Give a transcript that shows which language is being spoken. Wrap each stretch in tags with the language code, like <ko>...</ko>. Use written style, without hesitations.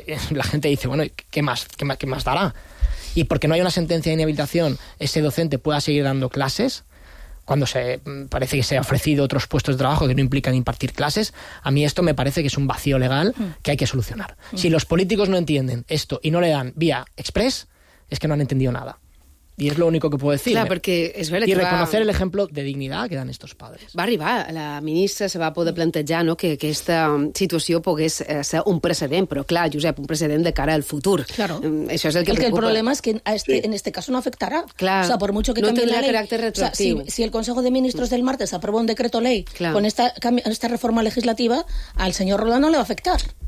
<es>La gente dice, bueno, ¿qué más dará? Y porque no hay una sentencia de inhabilitación, ese docente pueda seguir dando clases, cuando se parece que se ha ofrecido otros puestos de trabajo que no implican impartir clases. A mí esto me parece que es un vacío legal que hay que solucionar. Si los políticos no entienden esto y no le dan vía express, es que no han entendido nada. Y es lo único que puedo decir. Claro, porque es verdad. Y reconocer el ejemplo de dignidad que dan estos padres.</es> <ca>Va arribar, la ministra se va poder plantejar, no, que aquesta situació pogués ser un precedent, però clar, Josep, un precedent de cara al futur.</ca> <es>Claro.</es> <ca>Això és el que preocupa. El problema és que</ca> <es>en este caso</es> <ca>no afectarà.</ca> <es>Claro. O sea, por mucho que no cambie la ley. No tendrá carácter retroactivo. O sea, si el Consejo de Ministros del martes aprueba un decreto ley claro. con esta reforma legislativa, al señor Rolando le va a afectar.</es>